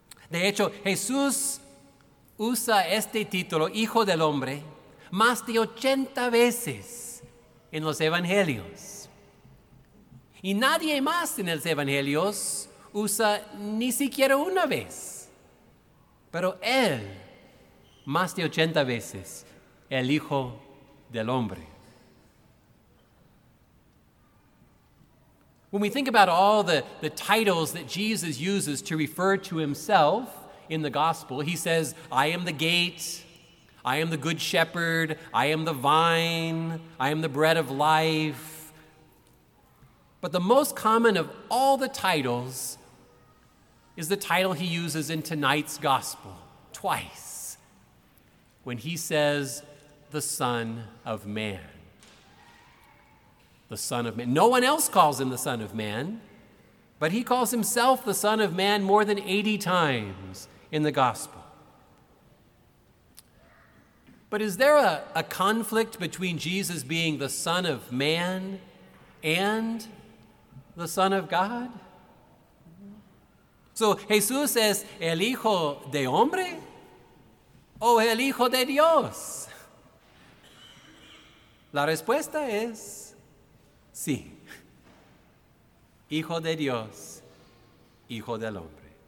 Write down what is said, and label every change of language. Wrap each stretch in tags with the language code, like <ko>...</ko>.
<es>De hecho, Jesús usa este título, Hijo del Hombre, más de 80 veces en los Evangelios. Y nadie más en los Evangelios usa ni siquiera una vez. Pero Él, más de 80 veces, el Hijo del Hombre.</es> <en>When we think about all the titles that Jesus uses to refer to himself in the gospel, he says, I am the gate, I am the good shepherd, I am the vine, I am the bread of life. But the most common of all the titles is the title he uses in tonight's gospel, twice, when he says, the Son of Man. The Son of Man. No one else calls him the Son of Man, but he calls himself the Son of Man more than 80 times in the gospel. But is there a conflict between Jesus being the Son of Man and the Son of God?</en> <es>So, ¿Jesús es el Hijo de Hombre o el Hijo de Dios? La respuesta es sí, Hijo de Dios, Hijo del Hombre.</es>